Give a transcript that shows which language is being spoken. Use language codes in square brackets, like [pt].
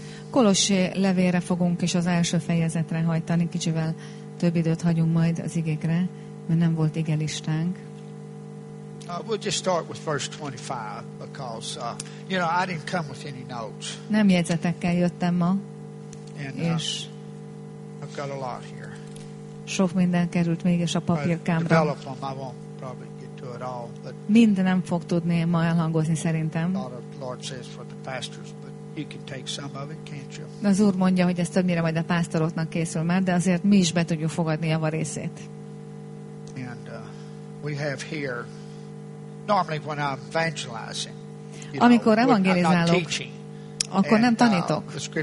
[hu] Kolossé levélre fogunk és az első fejezetre hajtani. Kicsivel több időt hagyunk majd az igékre, mert nem volt igelistánk. [en] We'll just start with verse 25 because you know I didn't come with any notes. [hu] Nem jegyzetekkel jöttem ma. [en] And, I've got a lot here. [hu] Sok minden került mégis a papírkámra. [en] I won't probably get to it all, but [hu] mind nem fog tudni ma elhangozni szerintem. [en] Lord says for the pastors, but you can take some of it, can't you? [hu] Az Úr mondja, hogy ez többnyire majd a pásztoroknak készül már, de azért mi is be tudjuk fogadni a részét. [en] And we have here. Normally when I'm evangelizing, [hu] amikor evangelizálok, akkor nem tanítok,